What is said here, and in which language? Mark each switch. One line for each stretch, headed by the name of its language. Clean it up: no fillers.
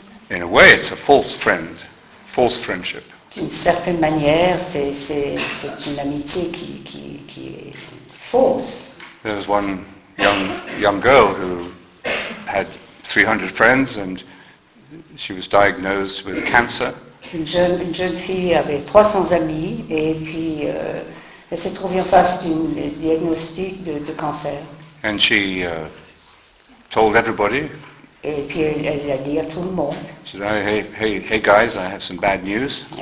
English: In a way, it's a false friend, false friendship.
French: D'une certaine manière, c'est une amitié qui est fausse.
English: There was one young girl who had 300 friends and she was diagnosed with cancer.
French: Une jeune fille avait 300 amis et puis elle s'est trouvée en face d'un diagnostic de cancer.
English: And she told everybody
French: Et puis elle a dit à tout le monde.
English: She said, hey guys, I have some bad news.